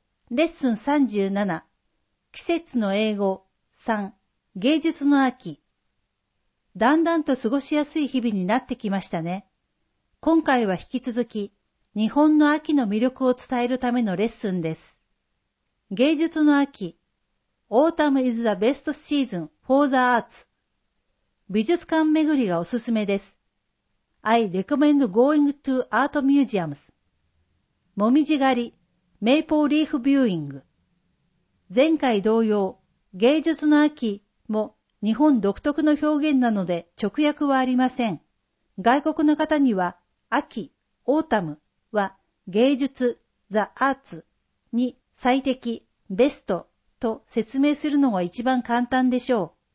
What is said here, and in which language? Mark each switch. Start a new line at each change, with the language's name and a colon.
Japanese: レッスン37。季節の英語。3。芸術の秋。だんだんと過ごしやすい日々になってきましたね。今回は引き続き、日本の秋の魅力を伝えるためのレッスンです。芸術の秋。
English: Autumn is the best season for the arts.
Japanese: 美術館巡りがおすすめです。
English: I recommend going to art museums.
Japanese: もみじ狩り、メイポーリーフビューイング。前回同様、芸術の秋も日本独特の表現なので直訳はありません。外国の方には、秋、オータムは芸術、ザ・アーツに最適、ベストと説明するのが一番簡単でしょう。